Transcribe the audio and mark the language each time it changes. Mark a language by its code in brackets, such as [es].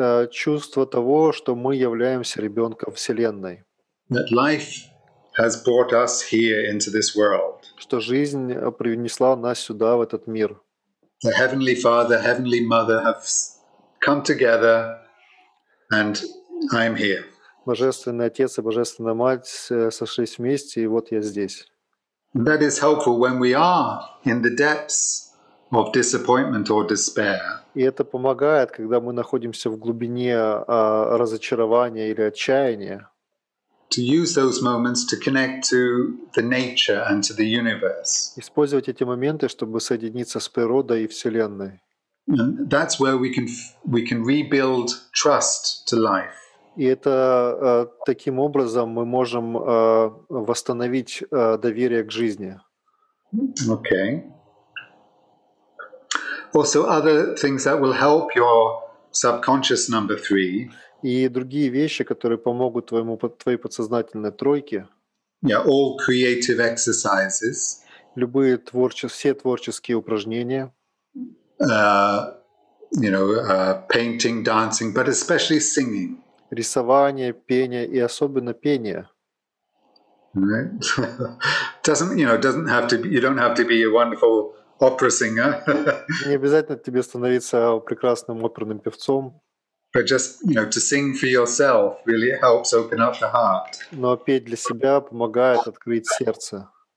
[ru] чувство того, что мы являемся ребенком Вселенной. [en] That life has brought us here into this world. [ru] Что жизнь принесла нас сюда, в этот мир. [en] The Heavenly Father, Heavenly Mother have come together and I'm here. [ru] Божественный Отец и Божественная Мать сошлись вместе, и вот я здесь. [en] That is helpful when we are in the depths of disappointment or despair. [ru] И это помогает, когда мы находимся в глубине разочарования или отчаяния. [en] To use those moments to connect to the nature and to the universe. [ru] Использовать эти моменты, чтобы соединиться с природой и Вселенной. [en] And that's where we can rebuild trust to life. [ru] И это таким образом мы можем восстановить доверие к жизни. [en] Okay. Also, other things that will help your subconscious number three. [ru] И другие вещи, которые помогут твоей подсознательной тройке. [en] Yeah, all creative exercises. [ru] Любые все творческие упражнения. [en] Painting, dancing, but especially singing. [ru] Рисование, пение и особенно пение. [en] Right. Doesn't have to be, you don't have to be a wonderful opera singer. [ru] Не обязательно тебе становиться прекрасным оперным певцом. [en] But just, to sing for yourself really helps open up the heart. [ru] Но петь для себя помогает открыть сердце.